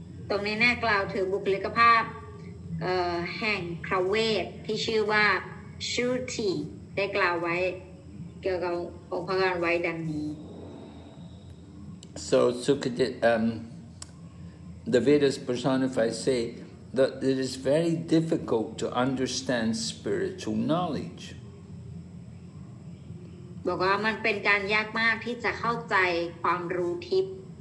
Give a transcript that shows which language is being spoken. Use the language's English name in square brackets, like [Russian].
[Thai] ตรงนี้แน่กล่าวถึงบุคลิกภาพแห่งพระเวทที่ชื่อว่าชูทีได้กล่าวไว้เกี่ยวกับองค์พระการไว้ดังนี้ [English] So Sukadev the Vedas personify say that it is very difficult to understand spiritual knowledge [Thai] บอกว่ามันเป็นการยากมากที่จะเข้าใจความรู้ทิพย์